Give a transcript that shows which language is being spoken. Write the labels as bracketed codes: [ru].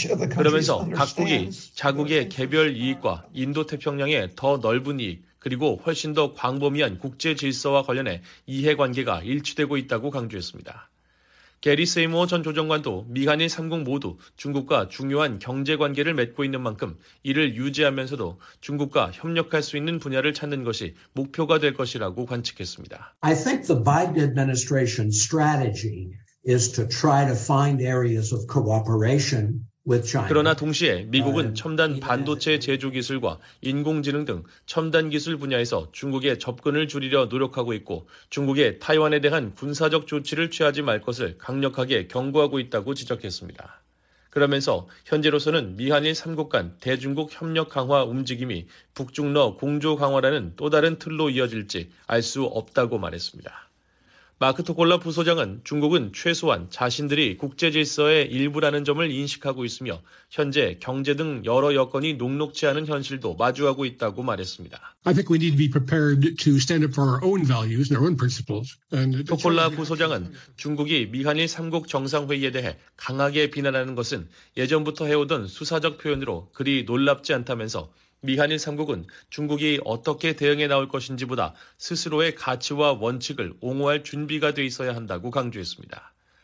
[ko] 그러면서 각국이 자국의 개별 이익과 인도태평양의 더 넓은 이익 그리고 훨씬 더 광범위한 국제 질서와 관련해 이해관계가 일치되고 있다고 강조했습니다. 게리 세이모어 전 조정관도 미한일 3국 모두 중국과 중요한 경제관계를 맺고 있는 만큼 이를 유지하면서도 중국과 협력할 수 있는 분야를 찾는 것이 목표가 될 것이라고 관측했습니다. [en] I think the Biden administration strategy is to try to find areas of cooperation with China. [ko] 그러나 동시에 미국은 첨단 반도체 제조 기술과 인공지능 등 첨단 기술 분야에서 중국의 접근을 줄이려 노력하고 있고 중국의 타이완에 대한 군사적 조치를 취하지 말 것을 강력하게 경고하고 있다고 지적했습니다. 그러면서 현재로서는 미한일 3국 간 대중국 협력 강화 움직임이 북중러 공조 강화라는 또 다른 틀로 이어질지 알 수 없다고 말했습니다. 마크 토콜라 부소장은 중국은 최소한 자신들이 국제 질서의 일부라는 점을 인식하고 있으며 현재 경제 등 여러 여건이 녹록치 않은 현실도 마주하고 있다고 말했습니다. [en] I think we need to be prepared to stand up for our own values and our own principles. [ko] 토콜라 부소장은 중국이 미한일 3국 정상회의에 대해 강하게 비난하는 것은 예전부터 해오던 수사적 표현으로 그리 놀랍지 않다면서 미한일 3국은 중국이 어떻게 대응해 나올 것인지보다 스스로의 가치와 원칙을 옹호할 준비가 돼 있어야 한다고 강조했습니다.